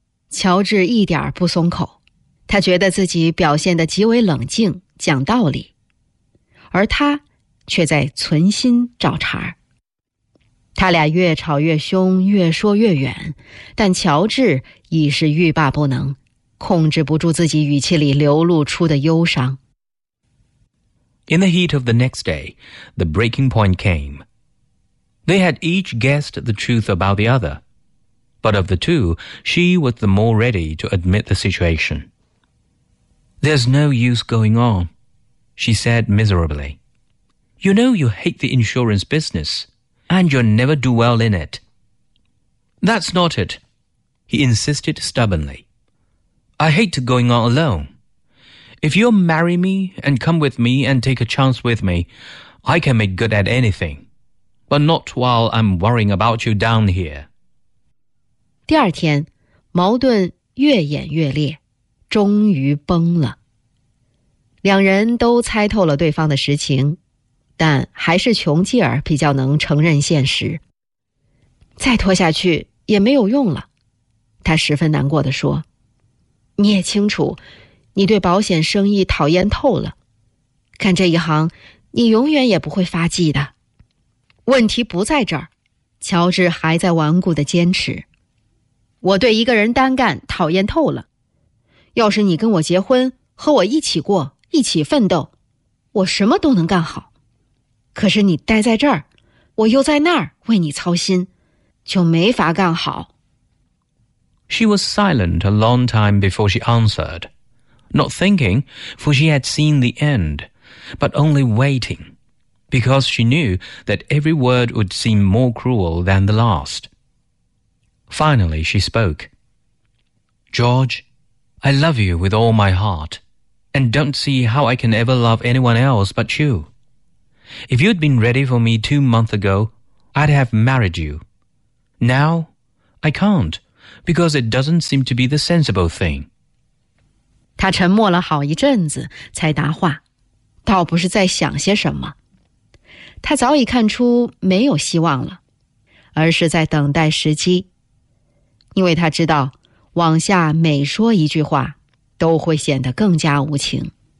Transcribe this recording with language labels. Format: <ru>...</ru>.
<zh>乔治一点不松口，他觉得自己表现得极为冷静，讲道理，而他却在存心找茬。他俩越吵越凶，越说越远，但乔治已是欲罢不能，控制不住自己语气里流露出的忧伤。</zh> <en>In the heat of the next day, the breaking point came. They had each guessed the truth about the other, but of the two, she was the more ready to admit the situation. There's no use going on, she said miserably. You know you hate the insurance business, and you'll never do well in it. That's not it, he insisted stubbornly. I hate going on alone. If you'll marry me and come with me and take a chance with me, I can make good at anything, but not while I'm worrying about you down here.</en> <zh>第二天，矛盾越演越烈，终于崩了。两人都猜透了对方的实情，但还是穷吉尔比较能承认现实。再拖下去也没有用了，他十分难过地说。你也清楚，你对保险生意讨厌透了，干这一行，你永远也不会发迹的。问题不在这儿，乔治还在顽固地坚持。我对一个人单干讨厌透了，要是你跟我结婚，和我一起过，一起奋斗，我什么都能干好。可是你待在这儿，我又在那儿为你操心，就没法干好。</zh> <en>She was silent a long time before she answered, not thinking, for she had seen the end, but only waiting, because she knew that every word would seem more cruel than the last. Finally, she spoke. George, I love you with all my heart, and don't see how I can ever love anyone else but you. If you'd been ready for me 2 months ago, I'd have married you. Now, I can't. Because it doesn't seem to be the sensible thing.</en> <zh>他沉默了好一阵子才答话，倒不是在想些什么。他早已看出没有希望了，而是在等待时机。因为他知道，往下每说一句话，都会显得更加无情。</zh>